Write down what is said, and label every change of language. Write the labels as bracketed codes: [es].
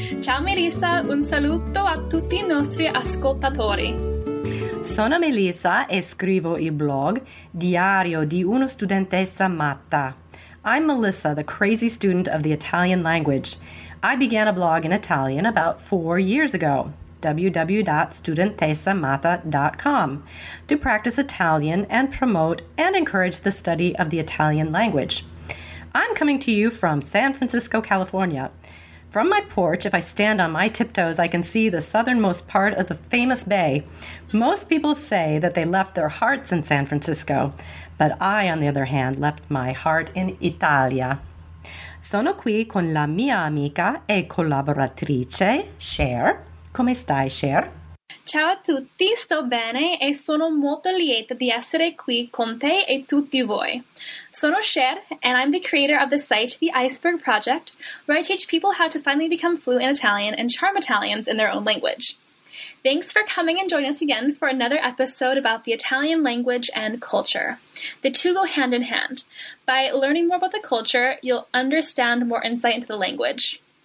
[it] Ciao Melissa, un saluto a tutti i nostri ascoltatori. Sono Melissa e scrivo il blog Diario di una studentessa matta. [en] I'm Melissa, the crazy student of the Italian language. I began a blog in Italian about 4 years ago. www.studentessamata.com to practice Italian and promote and encourage the study of the Italian language. I'm coming to you from San Francisco, California. From my porch, if I stand on my tiptoes, I can see the southernmost part of the famous bay. Most people say that they left their hearts in San Francisco, but I, on the other hand, left my heart in Italia. [it] Sono qui con la mia amica e collaboratrice, Cher. Come stai, Cher? Ciao a tutti, sto bene e sono molto lieta di essere qui con te e tutti voi. Sono Cher, [en] and I'm the creator of the site The Iceberg Project, where I teach people how to finally become fluent in Italian and charm Italians in their own language. Thanks for coming and joining us again for another episode about the Italian language and culture. The two go hand in hand. By learning more about the culture, you'll understand more insight into the language.